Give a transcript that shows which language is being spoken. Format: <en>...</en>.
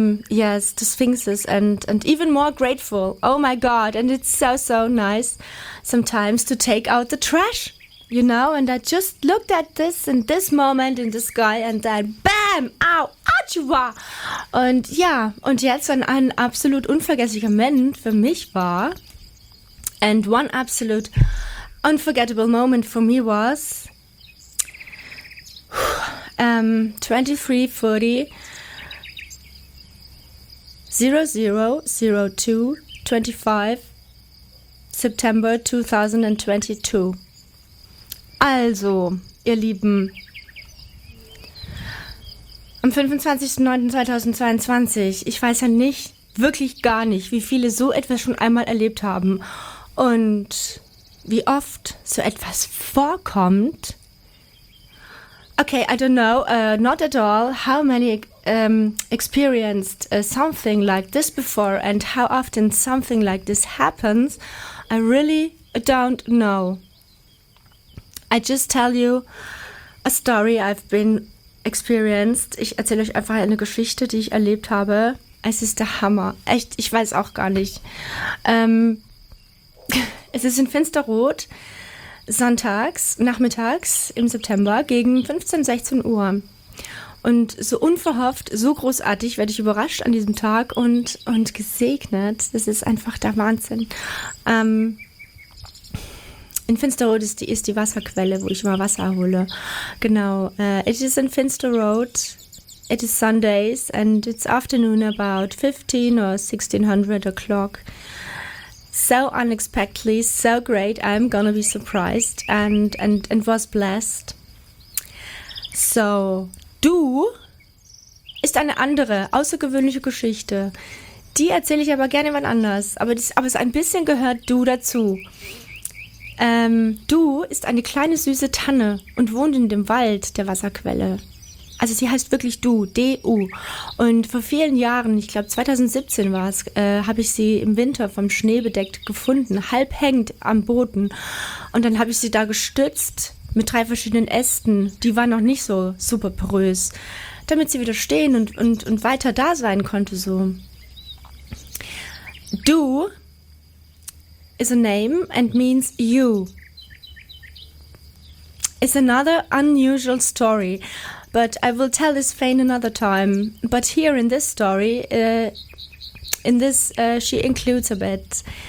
<en>Yes, the sphinxes and even more grateful. Oh my God, and it's so nice sometimes to take out the trash, you know, and I just looked at this in this moment in the sky and then bam, au, achua.</en> <de>Und ja, und jetzt ein absolut unvergesslicher Moment für mich war,</de> <en>and one absolute unforgettable moment for me was</en> <de>23:40:00:02:25 September 2022. Also, ihr Lieben, am 25.09.2022, ich weiß ja nicht, wirklich gar nicht, wie viele so etwas schon einmal erlebt haben und wie oft so etwas vorkommt.</de> <en>Okay, I don't know, not at all, how many experienced something like this before and how often something like this happens, I really don't know. I just tell you a story I've been experienced.</en> <de>Ich erzähle euch einfach eine Geschichte, die ich erlebt habe. Es ist der Hammer. Echt, ich weiß auch gar nicht. Es ist in Finsterrot. Sonntags, nachmittags im September gegen 15, 16 Uhr. Und so unverhofft, so großartig werde ich überrascht an diesem Tag und gesegnet. Das ist einfach der Wahnsinn. In Finsterrot ist die Wasserquelle, wo ich immer Wasser hole. Genau.</de> <en>It is in Finsterrot. It is Sundays and it's afternoon about 15 or 1600 o'clock. So unexpectedly, so great, I'm gonna be surprised and was blessed.</en> <de>So, du ist eine andere, außergewöhnliche Geschichte. Die erzähle ich aber gerne mal anders, aber es ein bisschen gehört du dazu. Du ist eine kleine süße Tanne und wohnt in dem Wald der Wasserquelle. Also sie heißt wirklich Du, D-U. Und vor vielen Jahren, ich glaube 2017 war es, habe ich sie im Winter vom Schnee bedeckt gefunden, halb hängend am Boden. Und dann habe ich sie da gestützt mit drei verschiedenen Ästen. Die waren noch nicht so super porös, damit sie wieder stehen und weiter da sein konnte so.</de> <en>Du is a name and means you. It's another unusual story. But I will tell this fain another time. But here in this story, she includes a bit.</en>